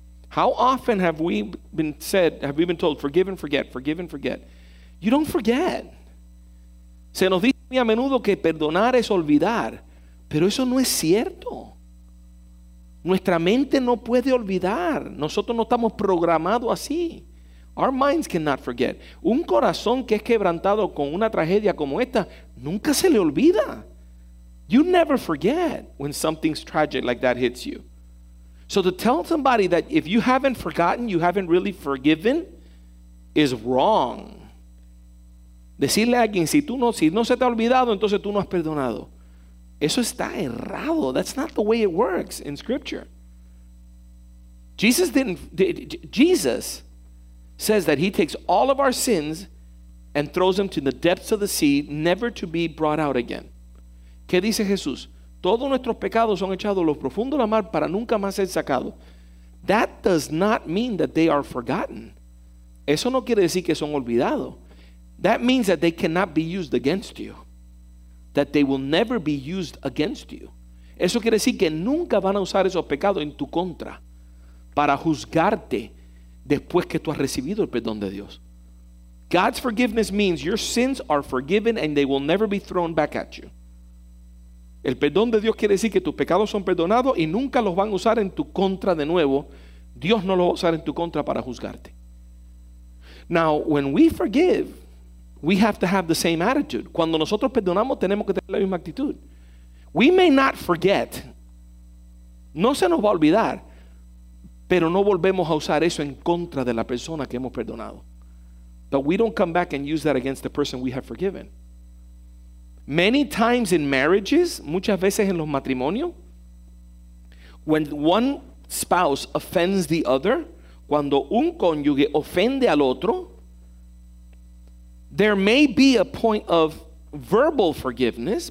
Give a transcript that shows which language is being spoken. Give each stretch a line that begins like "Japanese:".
English: How often have we been said, have we been told, forgive and forget, forgive and forget? You don't forget.
Spanish: Se nos dice muy a menudo que perdonar es olvidar, pero eso no es cierto. Nuestra mente no puede olvidar. Nosotros no estamos programados así.
English: Our minds cannot forget.
Spanish: Un corazón que es quebrantado con una tragedia como esta, nunca se le olvida.
English: You never forget when something's tragic like that hits you. So to tell somebody that if you haven't forgotten, you haven't really forgiven, is wrong.
Spanish: Decirle a alguien, si no se te ha olvidado, entonces tú no has perdonado. Eso está errado.
English: That's not the way it works in Scripture. Jesus says that he takes all of our sins and throws them to the depths of the sea, never to be brought out again.
Spanish: ¿Qué dice Jesús? Todos nuestros pecados son echados a lo profundo de la mar para nunca más ser sacados.
English: That does not mean that they are forgotten.
Spanish: Eso no quiere decir que son olvidados.
English: That means that they cannot be used against you. That they will never be used against you.
Spanish: Eso quiere decir que nunca van a usar esos pecados en tu contra para juzgarte después que tú has recibido el perdón de Dios.
English: God's forgiveness means your sins are forgiven and they will never be thrown back at you.
Spanish: El perdón de Dios quiere decir que tus pecados son perdonados y nunca los van a usar en tu contra de nuevo. Dios no los va a usar en tu contra para juzgarte.
English: Now, when we forgive, we have to have the same attitude.
Spanish: Cuando nosotros perdonamos, tenemos que tener la misma actitud.
English: We may not forget.
Spanish: No se nos va a olvidar. Pero no volvemos a usar eso en contra de la persona que hemos perdonado.
English: But we don't come back and use that against the person we have forgiven. Many times in marriages,
Spanish: muchas veces en los matrimonios,
English: when one spouse offends the other,
Spanish: cuando un cónyuge ofende al otro,
English: there may be a point of verbal forgiveness.